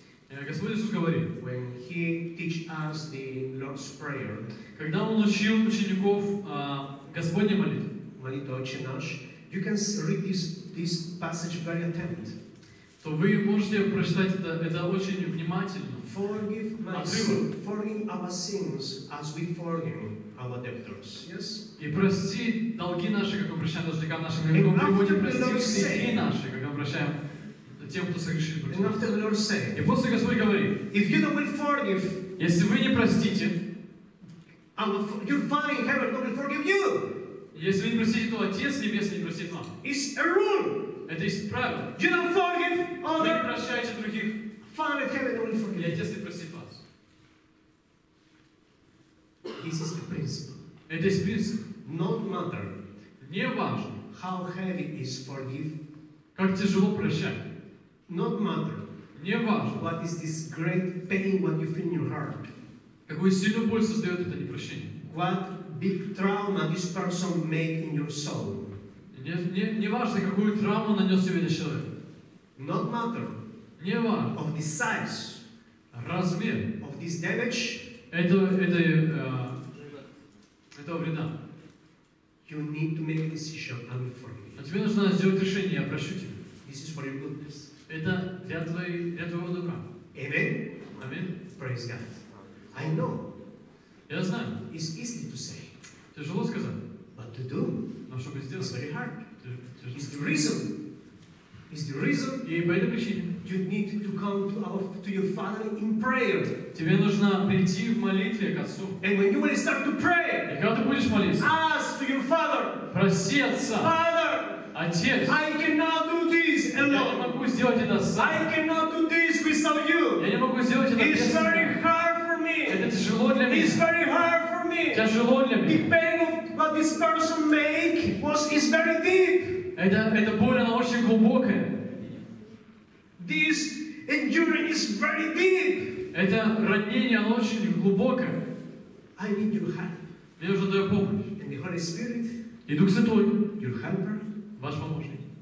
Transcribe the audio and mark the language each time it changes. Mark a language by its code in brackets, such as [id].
[ru] Господь Иисус говорит, [en] when he teach us the Lord's prayer, [ru] когда Он учил учеников Господней молитве, молитва Отче наш, [en] you can read this passage very attentively. [ru] То вы можете прочитать это очень внимательно. [en] Forgive our sins as we forgive our debtors. Yes. [ru] И прости долги наши, как мы прощаем должникам нашим, как мы приводим простить долги наши, как мы прощаем тем, кто согрешил против [en] нас. And after the Lord said, [ru] и после Господь говорит, [en] if you don't forgive, [ru] если вы не простите, [en] your Father in heaven will forgive you. [ru] Если вы не простите, то Отец Небесный не простит вам. [en] It's a rule. [ru] Это есть правило. [en] You don't forgive other. [ru] Вы не прощаете других. [en] Father in heaven will forgive. [ru] И Отец не простит вас. [en] This is the principle. [ru] Это есть принцип. [en] No matter. [ru] Не важно. [en] How heavy is forgive. [ru] Как тяжело прощать. [en] No matter. [ru] Не важно. [en] What is this great pain what you feel in your heart? [ru] Какую сильную боль создает это непрощение? [en] What big trauma this person made in your soul. [ru] Не важно, какую травму нанес тебе этот человек. [en] Not matter. [ru] Не важно. [en] Of the size. [ru] Размер. [en] Of this damage. [ru] Этого вреда. [en] You need to make a decision. I will forgive. [ru] А тебе нужно сделать решение, я прощу тебя. [en] This is for your goodness. [ru] Это для твоего добра. [en] Amen. Amen. Praise God. I know. [ru] Я знаю. [en] It's easy to say. [ru] Тяжело сказать. [en] But to do. [ru] Но чтобы сделать. [en] It's very hard. It's the reason. is the reason. [ru] И по этой причине. [en] You need to come to your Father in prayer. [ru] Тебе нужно прийти в молитве к Отцу. [en] And when you will start to pray. [ru] И когда ты будешь молиться. [en] Ask to your Father. [ru] Проси Отца. [en] Father. [ru] Отец. [en] I cannot do this alone. [ru] Я не могу сделать это сам. [en] I cannot do this without you. [ru] Я не могу сделать это без тебя. [en] It's very hard for me. [ru] Это тяжело для меня. [en] It's very hard for me. [ru] Тяжело для меня. [en] The pain of what this person make was is very deep. [ru] Это боль, она очень глубокая. [en] This injury is very deep. [ru] Это ранение, оно очень глубокое. [en] I need your help. [ru] Мне нужна твоя помощь. [en] And the Holy Spirit. [ru] И Дух Святой. [en] Your helper. [ru] Ваш помощник.